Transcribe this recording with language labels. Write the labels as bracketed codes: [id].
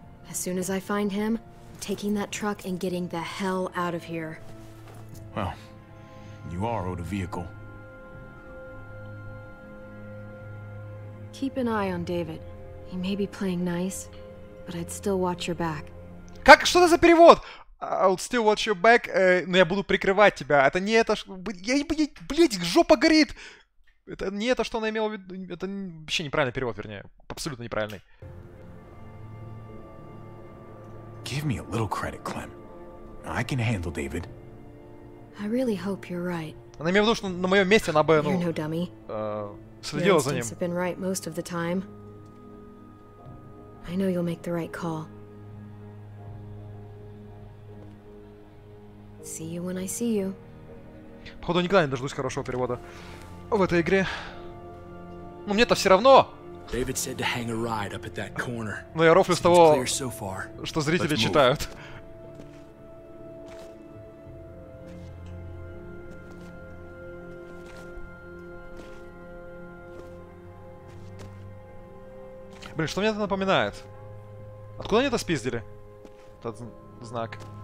[en] As soon as I find him, I'm taking that truck and getting the hell out of here. Well, you are owed a vehicle. Keep an eye on David. He may be playing nice, but I'd still watch your back. [ru] Как что это за перевод? [en] I'll still watch your back, [ru] но я буду прикрывать тебя. Это не это, блядь, жопа горит. Это не это, что она имела в виду. Это вообще неправильный перевод, вернее, абсолютно неправильный. [en] Give me a little credit, Clem. I can handle David. I really hope you're right. [ru] Она имела в виду, что на моем месте она бы, ну, [en] you're no dummy. [ru] Следила за ним. [en] Your instincts have been right most of the time. I know you'll make the right call. See you when I see you. [ru] Походу, никогда не дождусь хорошего перевода в этой игре. Но мне-то все равно. [en] David said to hang a ride up at that corner. [ru] Но я рофлю с того, что зрители читают. Блин, что мне это напоминает? Откуда они это спиздили? Этот знак.